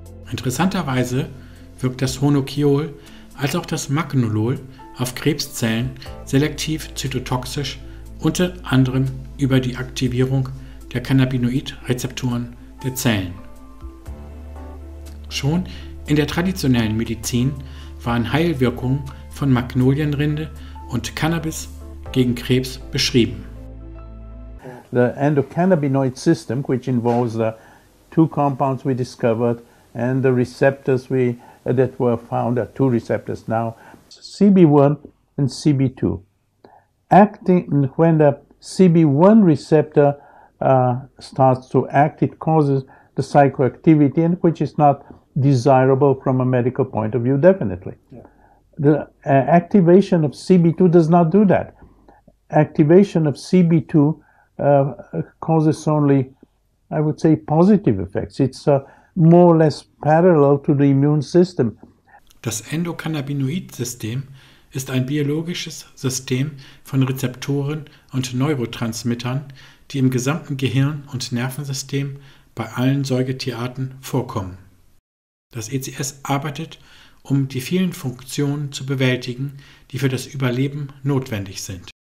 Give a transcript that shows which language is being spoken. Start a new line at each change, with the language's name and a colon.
German: Interessanterweise wirkt das Honokiol als auch das Magnolol auf Krebszellen selektiv zytotoxisch, unter anderem über die Aktivierung der Cannabinoid-Rezeptoren der Zellen. Schon in der traditionellen Medizin waren Heilwirkungen von Magnolienrinde und Cannabis gegen Krebs beschrieben.
English: The endocannabinoid system, which involves the 2 compounds we discovered and the receptors that were found, are 2 receptors now, CB1 and CB2. Acting when the CB1 receptor starts to act, it causes the psychoactivity, and which is not desirable from a medical point of view, definitely. Yeah. The activation of CB2 does not do that. Activation of CB2 causes only, I would say, positive effects. It's more or less parallel to the immune system.
German: Das Endocannabinoid-System ist ein biologisches System von Rezeptoren und Neurotransmittern, die im gesamten Gehirn- und Nervensystem bei allen Säugetierarten vorkommen. Das ECS arbeitet, um die vielen Funktionen zu bewältigen, die für das Überleben notwendig sind.